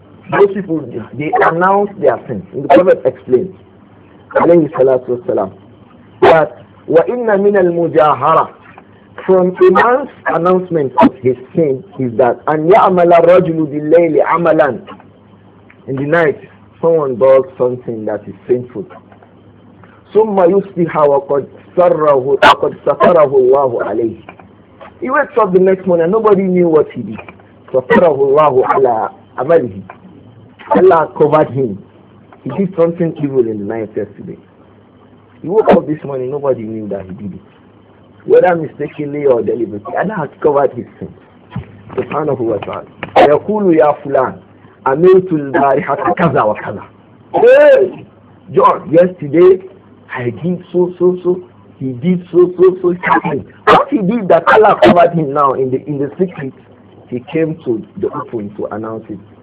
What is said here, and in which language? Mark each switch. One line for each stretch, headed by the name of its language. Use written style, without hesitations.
English: Those people, they announce their sins. And the Prophet explains,
Arabic: alayhi salatu wa salam,
English: that
Arabic: وَإِنَّ مِنَ الْمُجَاهَرَةِ,
English: from a man's announcement of his sin is that
Arabic: أَنْ يَعْمَلَ الرَّجُلُ بِاللَّيْلِ عَمَلًا,
English: in the night someone does something that is sinful.
Arabic: ثُمَّ يُصْبِحَ وَقَدْ سَتَرَهُ اللَّهُ عَلَيْهِ,
English: he wakes up the next morning and nobody knew what he did.
Arabic: سَتَرَهُ اللَّهُ عَلَىٰ عَمَلِهِ,
English: Allah covered him. He did something evil in the night yesterday. He woke up this morning, nobody knew that he did it. Whether mistakenly or deliberately, Allah has covered his sins. The son of Allah said,
Arabic: يَقُولُ يَا فُلَانِ أَمِلْتُ الْبَارِحَةَ كَذَا وَكَذَا,
English: hey, John, yesterday, I did so, he did so, what he did that Allah covered him now in the secret, he came to the open to announce it.